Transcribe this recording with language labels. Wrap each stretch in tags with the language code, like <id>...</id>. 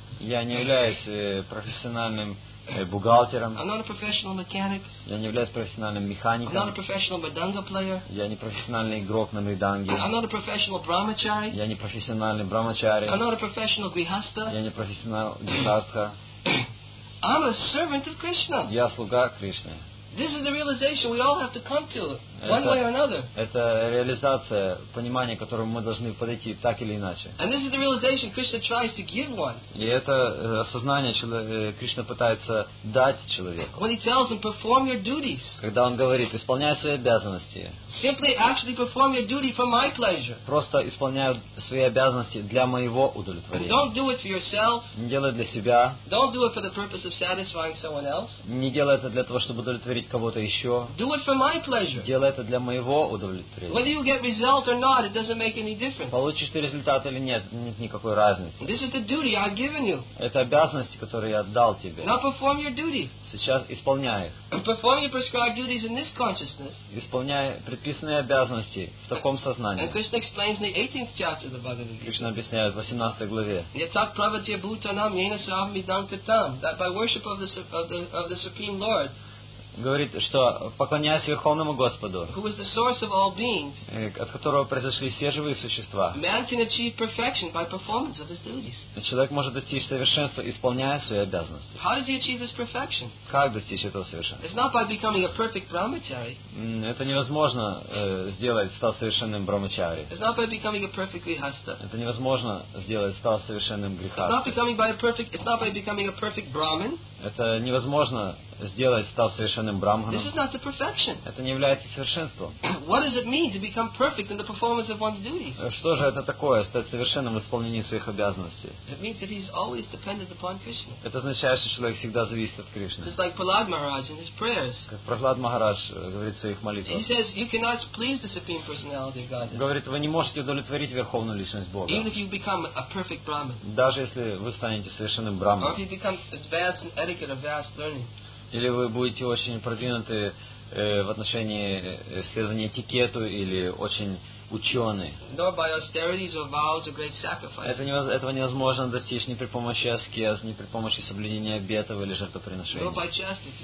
<ru>Я не являюсь профессиональным бухгалтером.</ru> <en>I'm not a professional mechanic.</en> <ru>Я не являюсь профессиональным механиком.</ru> <en>I'm not a professional mridanga player.</en> <ru>Я не профессиональный игрок на мриданге.</ru> <en>I'm not a professional brahmachari.</en> <ru>Я не профессиональный брахмачари.</ru> <en>I'm not a professional grihastha.</en> <ru>Я не профессиональный грихастха.</ru> <en>I'm a servant of Krishna.</en> <ru>Я слуга Кришны.</ru> <en>This is the realization we all have to come to, one way or another.</en> <ru>Это реализация, понимание, к которому мы должны подойти так или иначе.</ru> <en>And this is the realization Krishna tries to give one.</en> <ru>И это осознание Кришна пытается дать человеку.</ru> <en>When he tells him, perform your duties.</en> <ru>Когда он говорит, исполняй свои обязанности.</ru> <en>Simply actually perform your duty for my pleasure.</en> <ru>Просто исполняй свои обязанности для моего удовлетворения.</ru> <en>Don't do it for yourself.</en> <ru>Не делай для себя.</ru> <en>Don't do it for the purpose of satisfying someone else.</en> <ru>Не делай это для того, чтобы удовлетворить кого-то еще.</ru> <en>Do it for my pleasure.</en> <ru>Делай это для моего удовлетворения.</ru> <en>Whether you get result or not, it doesn't make any difference.</en> <ru>Получишь ты результат или нет, нет никакой разницы.</ru> <en>This is the duty I've given you.</en> <ru>Это обязанности, которые я отдал тебе.</ru> <en>Now perform your duty.</en> <ru>Сейчас исполняй их.</ru> <en>Perform your prescribed duties in this consciousness.</en> <ru>Исполняй предписанные обязанности в таком сознании.</ru> <en>And Krishna explains in the 18th chapter of the Bhagavad Gita.</en> <ru>Кришна объясняет в 18 главе.</ru> <sa>Yatak pravatya bhutanam yena sarvam idam kritam,</sa> <en>that by worship of the Supreme Lord.</en> <ru>Говорит, что поклоняясь Верховному Господу,</ru> <en>who is the source of all beings,</en> <ru>от которого произошли все живые существа,</ru> <en>man can achieve perfection by performance of his duties.</en> <ru>Человек может достичь совершенства, исполняя свои обязанности.</ru> <en>How does he achieve this perfection?</en> <ru>Как достичь этого совершенства?</ru> <en>It's not by becoming a perfect brahmachari.</en> <ru>Это невозможно сделать, стать совершенным брахмачари.</ru> <en>It's not by becoming a perfect grihastha.</en> <ru>Это невозможно сделать, стать совершенным грихастхой.</ru> <en>It's not by becoming a perfect brahmin.</en> <ru>Это невозможно сделать, стал совершенным брахманом.</ru> <en>This is not the perfection.</en> <ru>Это не является совершенством.</ru> <en>What does it mean to become perfect in the performance of one's duties?</en> <ru>Что же это такое, стать совершенным в исполнении своих обязанностей?</ru> <en>It means that he's always dependent upon Krishna.</en> <ru>Это означает, что человек всегда зависит от Кришны.</ru> <en>Just like Prahlad Maharaj in his prayers.</en> <ru>Как Прохлад Махарадж говорит в своих молитвах.</ru> <en>He says, you cannot please the supreme personality of God.</en> <ru>Говорит, вы не можете удовлетворить верховную личность Бога.</ru> <en>Even if you become a perfect brahman.</en> <ru>Даже если вы станете совершенным брахманом.</ru> <en>Or if you become advanced in etiquette or vast learning.</en> <ru>Или вы будете очень продвинуты в отношении исследования этикету или очень ученый. Этого невозможно достичь ни при помощи аскез, ни при помощи соблюдения обетов или жертвоприношения.</ru>